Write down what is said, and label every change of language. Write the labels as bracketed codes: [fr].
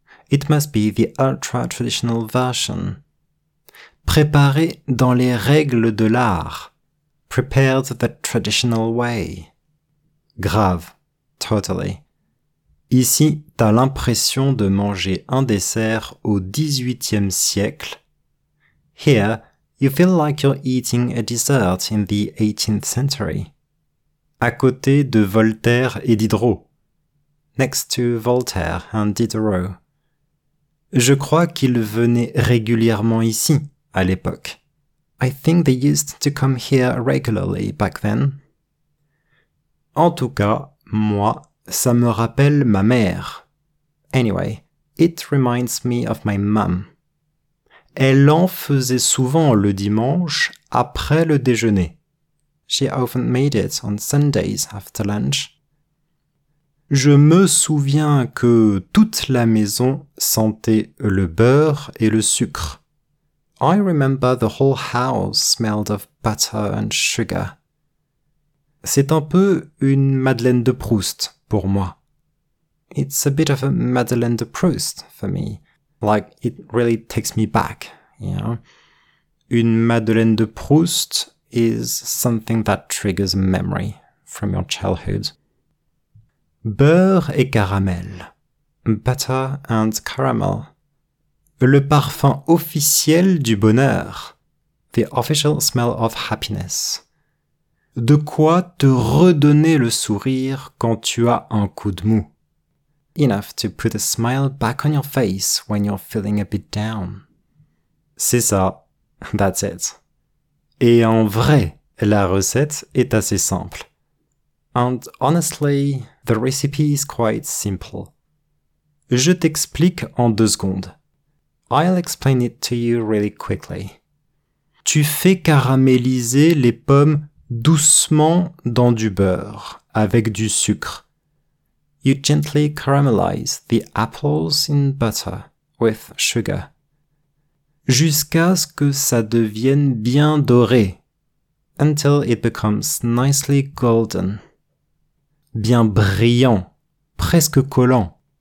[en] It must be the ultra traditional version. [fr] Préparé dans les règles de l'art. [en] Prepared the traditional way. Grave. Totally. [fr] Ici, t'as l'impression de manger un dessert au 18e siècle. [en] Here, you feel like you're eating a dessert in the 18th century. [fr] À côté de Voltaire et Diderot. [en] Next to Voltaire and Diderot. [fr] Je crois qu'ils venaient régulièrement ici, à l'époque. [en] I think they used to come here regularly back then. [fr] En tout cas, moi, ça me rappelle ma mère. [en] Anyway, it reminds me of my mom. [fr] Elle en faisait souvent le dimanche après le déjeuner. [en] She often made it on Sundays after lunch. [fr] Je me souviens que toute la maison sentait le beurre et le sucre. [en] I remember the whole house smelled of butter and sugar. [fr] C'est un peu une Madeleine de Proust pour moi. [en] It's a bit of a Madeleine de Proust for me. Like, it really takes me back, you know. Une Madeleine de Proust is something that triggers a memory from your childhood. [fr] Beurre et caramel. [en] Butter and caramel. [fr] Le parfum officiel du bonheur. [en] The official smell of happiness. [fr] De quoi te redonner le sourire quand tu as un coup de mou. [en] Enough to put a smile back on your face when you're feeling a bit down. [fr] C'est ça. [en] That's it. [fr] Et en vrai, la recette est assez simple. [en] And honestly, the recipe is quite simple. [fr] Je t'explique en 2 secondes. [en] I'll explain it to you really quickly. [fr] Tu fais caraméliser les pommes doucement dans du beurre avec du sucre. [en] You gently caramelize the apples in butter with sugar. [fr] Jusqu'à ce que ça devienne bien doré. [en] Until it becomes nicely golden. [fr] Bien brillant, presque collant.